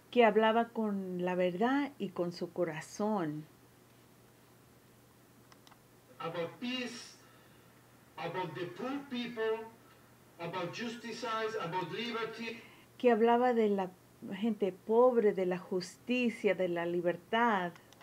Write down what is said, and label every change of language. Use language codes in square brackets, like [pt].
[es] que hablaba con la verdad y con su corazón. [en] About peace. About the poor people, about justice, about liberty. [es] Que hablaba de la gente pobre, de la justicia, de la libertad,